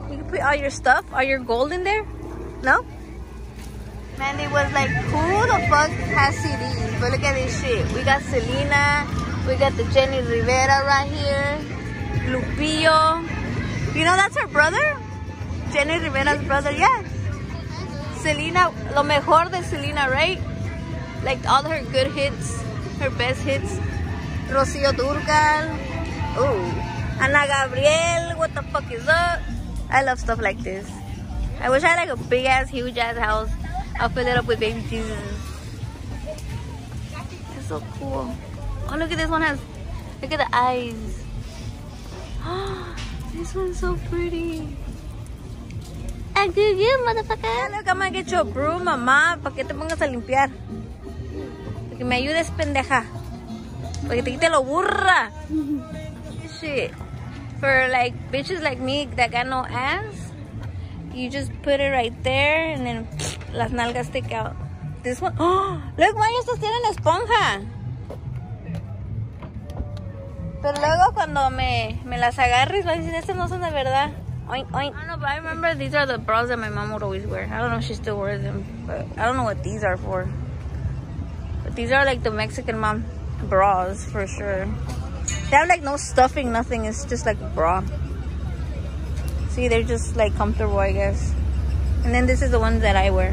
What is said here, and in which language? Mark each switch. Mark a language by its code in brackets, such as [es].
[en] You can put all your stuff, all your gold in there. No? Mandy was like, who the fuck has CDs? But look at this shit. We got Selena. We got the Jenny Rivera right here. Lupillo. You know that's her brother? Jenny Rivera's brother, yes. [es] Selena, lo mejor de Selena, right? [en] Like all her good hits, her best hits. Rocío Dúrcal. Oh. Ana Gabriel, what the fuck is up? I love stuff like this. I wish I had like a big ass, huge ass house. I'll fill it up with baby Jesus. It's so cool. Oh, look at this one has, look at the eyes. Oh, this one's so pretty. I do you, motherfucker. Hey, look, I'm gonna get you a broom, mamá. [es] ¿Para qué te pongas a limpiar? Para que me ayudes, pendeja. Para que te quite lo burra. Shit. [en] For like bitches like me that got no ass, you just put it right there and then [es] las nalgas [en] stick out. [es] This one. [en] Oh, look, [es] Maya, estos tienen esponja. Pero luego cuando me las agarres, vas a decir, estas no son de verdad. [en] Oink, oink. I don't know, but I remember these are the bras that my mom would always wear. I don't know if she still wears them, but I don't know what these are for. But these are like the Mexican mom bras for sure. They have like no stuffing, nothing. It's just like a bra. See, they're just like comfortable, I guess. And then this is the one that I wear.